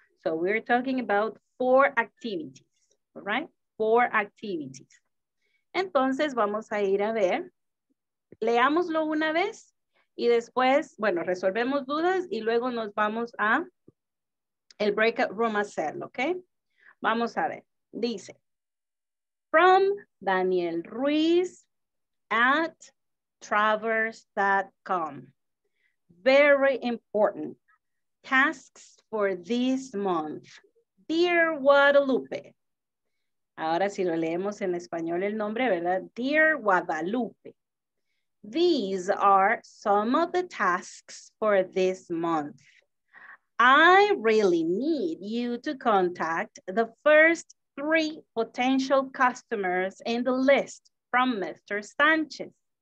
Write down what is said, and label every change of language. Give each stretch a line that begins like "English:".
English: So we're talking about four activities, all right? Four activities.
Spanish: Entonces vamos a ir a ver. Leámoslo una vez y después, bueno, resolvemos dudas y luego nos vamos a el breakout room a hacerlo, ¿ok? Vamos a ver. Dice, from Daniel Ruiz at traverse.com.
English: Very important. Tasks for this month. Dear Guadalupe.
Spanish: Ahora si lo leemos en español el nombre, ¿verdad?
English: Dear Guadalupe. These are some of the tasks for this month. I really need you to contact the first three potential customers in the list from Mr. Sanchez.